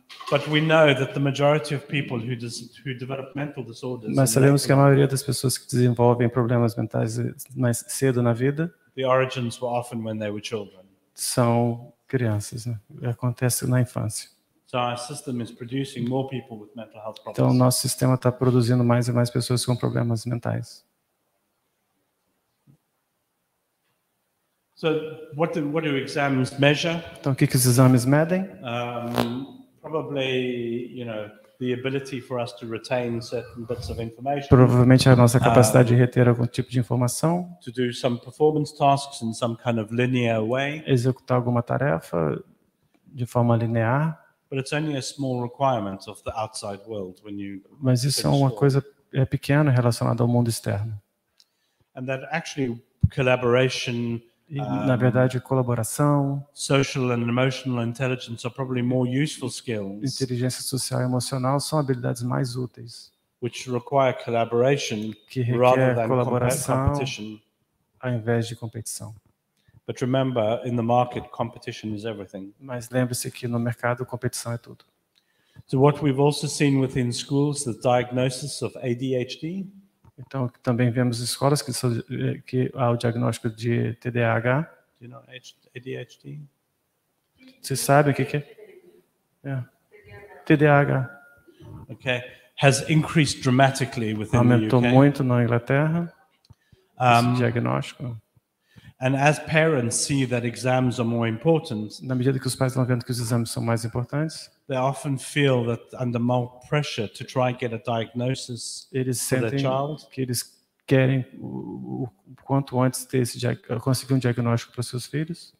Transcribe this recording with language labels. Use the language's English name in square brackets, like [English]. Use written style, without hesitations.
[English] But we know that the majority of people who develop mental disorders, [Portuguese] mas sabemos que a maioria das pessoas que desenvolvem problemas mentais mais cedo na vida, [English] the origins were often when they were children. [Portuguese] São crianças, né? Acontece na infância. [English] So our system is producing more people with mental health problems. [Portuguese] Então nosso sistema está produzindo mais e mais pessoas com problemas mentais. [English] So what do exams measure? [Portuguese] Então o que os exames medem? [English] Probably, you know, the ability for us to retain certain bits of information. [Portuguese] Provavelmente a nossa capacidade de reter algum tipo de informação. [English] To do some performance tasks in some kind of linear way. [Portuguese] Executar alguma tarefa de forma linear. [English] But it's only a small requirement of the outside world when you. [Portuguese] Mas isso é uma coisa pequena relacionada ao mundo externo. [English] And that actually collaboration. [Portuguese] Na verdade, colaboração, [English] social and emotional intelligence are probably more useful skills. [Portuguese] Inteligência social e emocional são habilidades mais úteis. [English] Which require collaboration, [Portuguese] que requer [English] rather than [Portuguese] colaboração, [English] competition, [Portuguese] ao invés de competição. [English] But remember, in the market, competition is everything. [Portuguese] Mas lembre-se que no mercado, competição é tudo. [English] So what we've also seen within schools, the diagnosis of ADHD. [Portuguese] Então, também vemos escolas que há o diagnóstico de TDAH. [English] Do you know ADHD? [Portuguese] Você sabe o que é? Yeah. TDAH. [English] Okay. Has increased dramatically within [Portuguese] aumentou [English] the UK. [Portuguese] Muito na Inglaterra esse diagnóstico. [English] And as parents see that exams are more important, [Portuguese] na medida que os pais estão vendo que os exames são mais importantes, [English] they often feel that under more pressure to try and get a diagnosis for their child, [Portuguese] que eles querem o quanto antes ter esse conseguir diagnóstico para seus filhos,